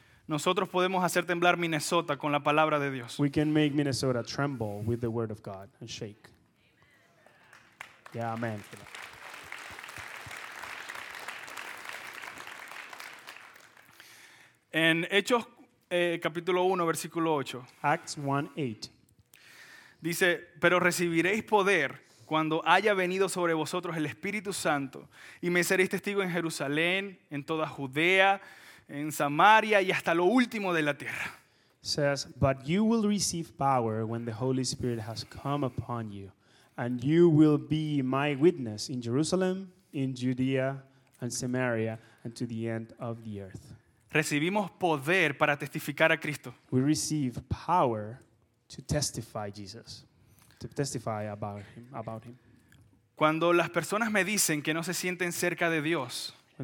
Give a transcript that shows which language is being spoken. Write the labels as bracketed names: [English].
[Spanish] nosotros podemos hacer temblar Minnesota con la palabra de Dios. [English] We can make Minnesota tremble with the word of God and shake. Yeah, amen. [Spanish] En Hechos capítulo 1, versículo 8. [English] Acts 1:8. [Spanish] Dice, pero recibiréis poder cuando haya venido sobre vosotros el Espíritu Santo y me seréis testigo en Jerusalén, en toda Judea, en Samaria y hasta lo último de la tierra. [English] It says, but you will receive power when the Holy Spirit has come upon you, and you will be my witness in Jerusalem, in Judea, and Samaria, and to the end of the earth. [Spanish] Recibimos poder para testificar a Cristo. [English] We receive power to testify Jesus, to testify about him, about him. [Spanish] Cuando las personas me dicen que no se sienten cerca de Dios,